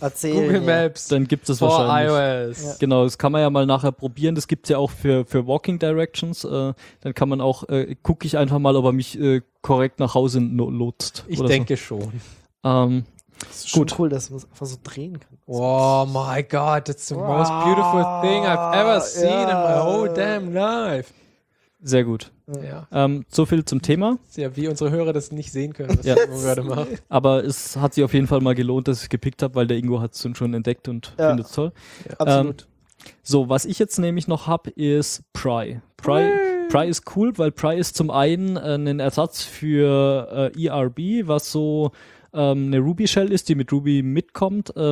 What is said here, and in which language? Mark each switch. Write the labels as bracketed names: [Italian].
[German] erzählen, Google Maps. Dann gibt es wahrscheinlich. [English] For iOS. [German] Ja. Genau, das kann man ja mal nachher probieren. Das gibt es ja auch für Walking Directions. Dann kann man auch, gucke ich einfach mal, ob er mich korrekt nach Hause lotst. Ich oder denke so. Schon. Das ist gut. Schon cool, dass man es einfach so drehen kann. [English] Oh my God, it's the most beautiful thing I've ever seen in my whole damn life. [German] Sehr gut. Ja. So viel zum Thema. Ja, wie unsere Hörer das nicht sehen können, was Ingo gerade macht. Aber es hat sich auf jeden Fall mal gelohnt, dass ich es gepickt habe, weil der Ingo hat es schon entdeckt und findet es toll. Ja. Absolut. So, was ich jetzt nämlich noch habe, ist Pry. Pry ist cool, weil Pry ist zum einen ein Ersatz für ERB, was so eine Ruby-Shell ist, die mit Ruby mitkommt.